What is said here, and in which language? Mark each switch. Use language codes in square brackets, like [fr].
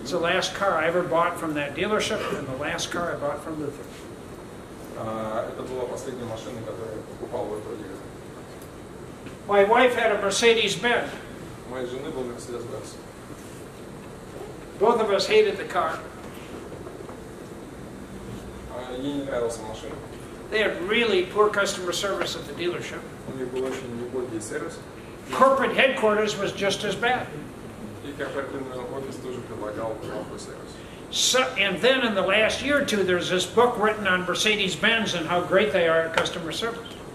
[en] It's the last car I ever bought from that dealership, and the last car I bought from Luther. [ru] Это была последняя машина, которую я покупал в этом дилере. [en] My wife had a Mercedes-Benz. [ru] У моей жены был Mercedes-Benz. [en] Both of us hated the car. [ru] Ей не нравилась машина. [en] They had really poor customer service at the dealership. [ru] У них был очень неплохой сервис. [en] Corporate headquarters was just as bad. [ru] И корпоративный офис тоже предлагал плохой сервис. [en] So, and then in the last year or two, there's this book written on Mercedes-Benz and how great they are at customer service.